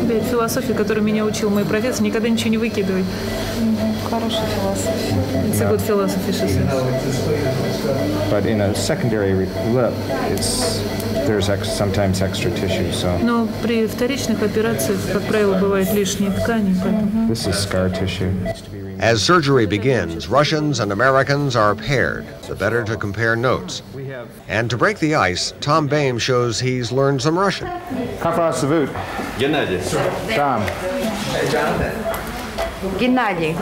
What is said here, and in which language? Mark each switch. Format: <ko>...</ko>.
<ru>Философия, которую меня учил мой профессор, никогда ничего не выкидывай. Хороший философ.</ru> <en>It's a good philosophy, she says. But in a secondary lip, there's sometimes extra tissue, so.</en> <ru>Но при вторичных операциях, как правило, бывает лишние ткани.</ru> <en>This is scar tissue. As surgery begins, Russians and Americans are paired, the better to compare notes. And to break the ice, Tom Bame shows he's learned some Russian. How far is the boot?</en> <ru>Геннадий.</ru> <en>Tom. Hey, Jonathan.</en> <ru>Геннадий.</ru>